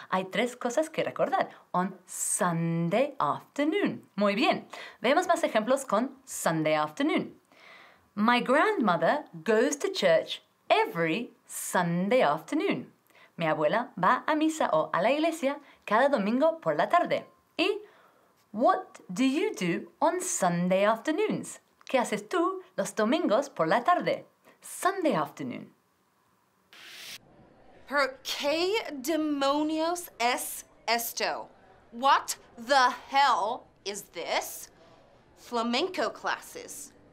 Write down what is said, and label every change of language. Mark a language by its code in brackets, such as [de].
[es] Hay tres cosas que recordar, [en] on Sunday afternoon. [es] Muy bien, veamos más ejemplos con Sunday afternoon. [en] My grandmother goes to church every Sunday afternoon. [es] Mi abuela va a misa o a la iglesia cada domingo por la tarde. Y, [en] what do you do on Sunday afternoons? [es] ¿Qué haces tú los domingos por la tarde? [en] Sunday afternoon. [es] ¿Por qué demonios es esto? [en] What the hell is this? Flamenco classes.